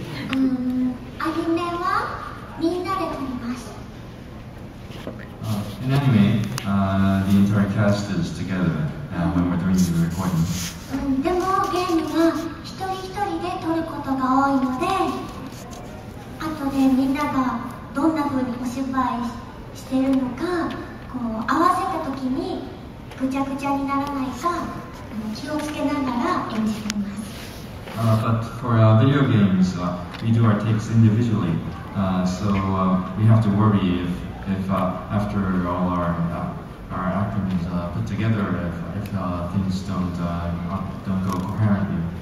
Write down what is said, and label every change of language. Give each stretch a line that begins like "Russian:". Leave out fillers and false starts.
Japanese: アニメはみんなで撮ります。
English: In anime, the entire cast is together when we're doing the recording.
Japanese: でもゲームは一人一人で撮ることが多いので、後でみんながどんな風にお芝居してるのか、こう合わせた時にぐちゃぐちゃにならないか気をつけながら演じています。
English: But for video games, we do our takes individually, so we have to worry if after all our acting is put together, if things don't go coherently.